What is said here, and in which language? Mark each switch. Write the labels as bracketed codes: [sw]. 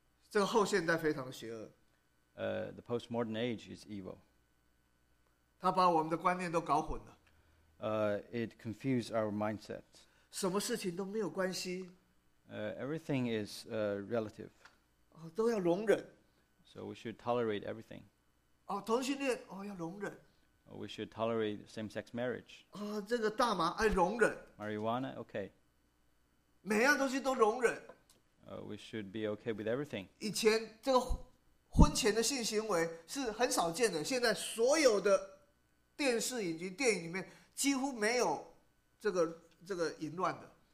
[zh] 这个后现代非常的邪恶。 [en] The postmodern age is evil. [zh] 它把我们的观念都搞混了。 [en] It confuses our mindset. [zh] 什么事情都没有关系。 [en] Everything is relative. [zh] 哦，都要容忍。 [en] So we should tolerate everything. [zh] 哦，同性恋哦要容忍。 [en] We should tolerate same-sex marriage. [zh] 哦，这个大麻哎容忍。 [en] Marijuana, okay. [zh] 每样东西都容忍。 [en] We should be okay with everything. [zh] 以前这个婚前的性行为是很少见的，现在所有的电视以及电影里面几乎没有这个淫乱的。